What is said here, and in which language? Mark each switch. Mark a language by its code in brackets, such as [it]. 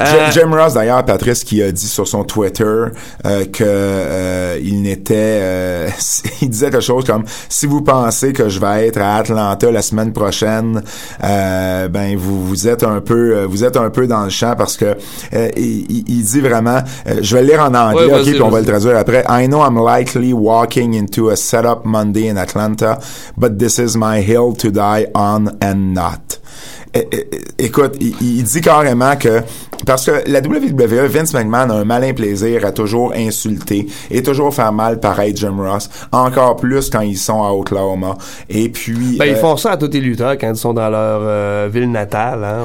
[fr] Jim Ross, d'ailleurs, Patrice, qui a dit sur son Twitter qu'il n'était... il disait quelque chose comme « Si vous pensez que je vais être à Atlanta la semaine prochaine, ben vous êtes un peu dans le champ parce que... Il dit vraiment, je vais le lire en anglais, ouais, puis on va le traduire après. [en] I know I'm likely walking into a setup Monday in Atlanta, but this is my hill to die on and not. [fr] Écoute, il dit carrément que, parce que la WWE, Vince McMahon a un malin plaisir à toujours insulter et toujours faire mal pareil Jim Ross, encore plus quand ils sont à Oklahoma. Et puis... Ben, ils font ça à tous les lutteurs quand ils sont dans leur ville natale. Hein.